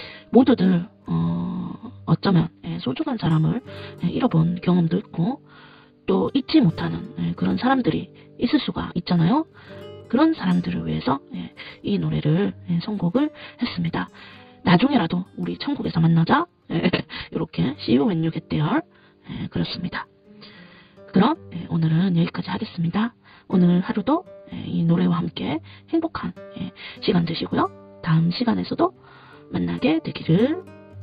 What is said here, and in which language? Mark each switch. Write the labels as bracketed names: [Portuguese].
[Korean] 모두들 어쩌면 소중한 사람을 잃어본 경험도 있고 또 잊지 못하는 그런 사람들이 있을 수가 있잖아요. 그런 사람들을 위해서 이 노래를 선곡을 했습니다. 나중에라도 우리 천국에서 만나자. 이렇게 [English] See you when you get there. [Korean] 그렇습니다. 그럼 오늘은 여기까지 하겠습니다. 오늘 하루도 이 노래와 함께 행복한 시간 되시고요. 다음 시간에서도 만나게 되기를 바랍니다.